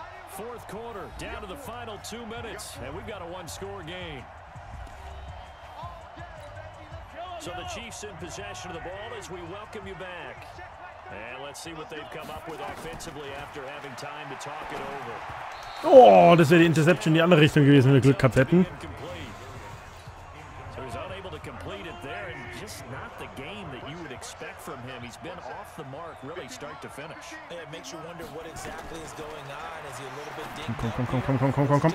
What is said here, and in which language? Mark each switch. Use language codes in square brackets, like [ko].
[en] Fourth quarter, down to the final 2 minutes. And we've got a 1-score game. So the Chiefs in possession of the ball as we welcome you back. And let's see what they've come up with offensively after having time to talk it over. [de] Oh, das wäre die Interception in die andere Richtung gewesen, wenn wir Glück gehabt hätten. [en] So he's unable to complete it there and just not the game that you would expect from him. He's been off the mark really start to finish. It makes you wonder what exactly is going on. Is he a little bit dinged?